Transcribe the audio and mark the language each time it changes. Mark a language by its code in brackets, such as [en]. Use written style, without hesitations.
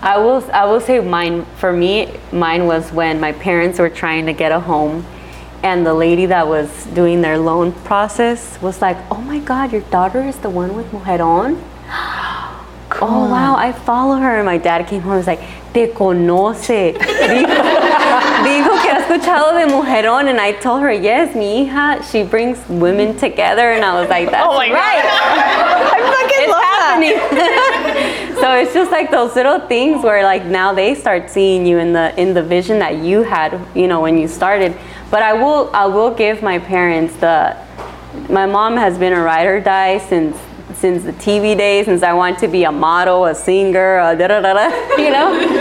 [en] I will say mine, for me, mine was when my parents were trying to get a home and the lady that was doing their loan process was like, "Oh my God, your daughter is the one with mujerón? Cool. Oh wow, I follow her." And my dad came home and was like, [es] "Te conoce." Dijo que ha escuchado de mujerón. [en] And I told her, "Yes, [es] mi hija, [en] she brings women together." And I was like, "That's right." Oh my God. I fucking love that. So it's just like those little things where like now they start seeing you in the vision that you had, you know, when you started. But I will give my parents my mom has been a ride or die since the TV days, since I wanted to be a model, a singer, a da da da da, you know?